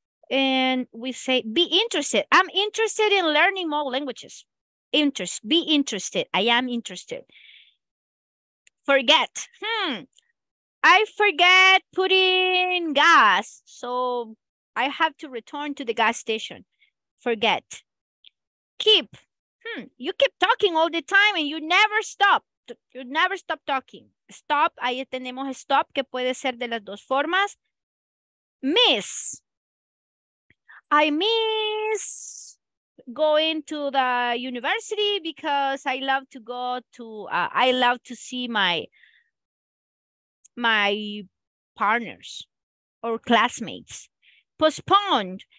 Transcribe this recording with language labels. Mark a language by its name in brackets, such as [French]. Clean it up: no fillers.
[English] And we say, be interested. I'm interested in learning more languages. Interest. Be interested. I am interested. Forget. I forget putting gas, so I have to return to the gas station. Forget. Keep. You keep talking all the time and you never stop. You never stop talking. Stop. [Spanish] Ahí tenemos stop, que puede ser de las dos formas. [English] Miss. I miss going to the university because I love to go to, I love to see my partners or classmates. Postponed.